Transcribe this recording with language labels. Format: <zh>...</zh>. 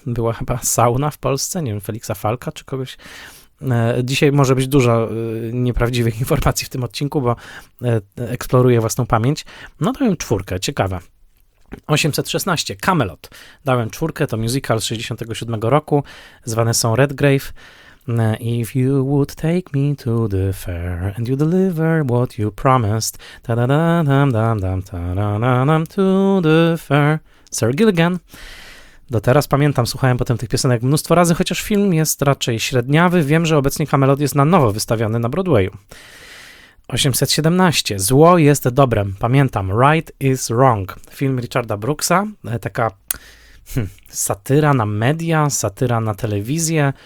<pl>Była chyba sauna w Polsce, nie wiem, Feliksa Falka czy kogoś. Dzisiaj może być dużo nieprawdziwych informacji w tym odcinku, bo eksploruję własną pamięć. No dałem 4, ciekawe. 816, Camelot. Dałem 4, to musical z 67 roku, zwane są Redgrave.</pl> <en>If you would take me to the fair and you deliver what you promised, ta-da-da-dam-dam-dam-ta-da-da-dam, to the fair, Sir Gilligan.</en> <pl>Do teraz pamiętam, słuchałem potem tych piosenek mnóstwo razy, chociaż film jest raczej średniawy. Wiem, że obecnie Camelot jest na nowo wystawiany na Broadwayu. 817. Zło jest dobrem. Pamiętam.</pl> <en>Right is wrong.</en> <pl>Film Richarda Brooksa. Taka satyra na media, satyra na telewizję.</pl>